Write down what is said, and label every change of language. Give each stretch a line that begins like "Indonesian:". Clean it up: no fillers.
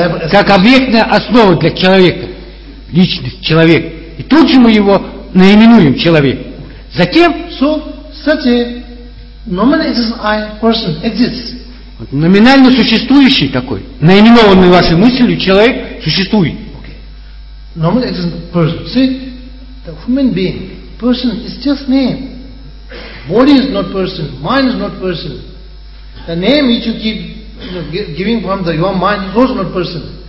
Russian: Как объектная основа для человека, личность, человек. И тут же мы его наименуем человек. Затем,
English: so, such a normal existence I person exists.
Russian: Вот, номинально существующий такой, наименованный вашей мыслью человек существует.
English: Okay. Normal existence person. See, the human being, person is just name. Body is not person. Mind is not person. The name which you keep giving from the your mind is also not person.